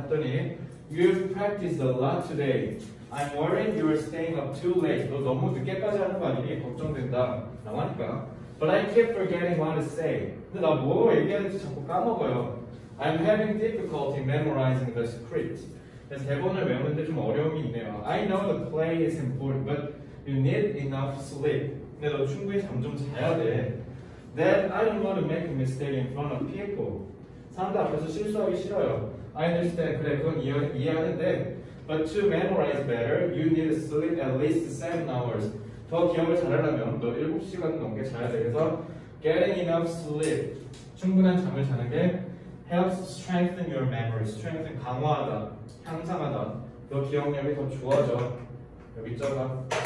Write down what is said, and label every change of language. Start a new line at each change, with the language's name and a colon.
Korean: 했더니
English: You've practiced a lot today. I'm worried you're staying up too late.
Korean: 너 너무 늦게까지 하는 거 아니니? 걱정된다. 라고 하니까
English: But I keep forgetting what to say.
Korean: 근데 나 뭐 얘기하는지 자꾸 까먹어요.
English: I'm having difficulty memorizing the script.
Korean: 대본을 외우는데 좀 어려움이 있네요. I know the play is important, but
English: You need enough sleep.
Korean: 근데 너 충분히 잠 좀 자야 돼.
English: Then I don't want to make a mistake in front of people.
Korean: 사람들 앞에서 실수하기 싫어요.
English: I understand.
Korean: 그래, 그건 이해하는데.
English: But to memorize better, you need to sleep at least 7 hours.
Korean: 더 기억을 잘하려면 너 7시간 넘게 자야 돼. 그래서
English: getting enough sleep.
Korean: 충분한 잠을 자는 게
English: helps strengthen your memory.
Korean: Strengthen, 강화하다, 향상하다. 너 기억력이 더 좋아져. 여기 있잖아.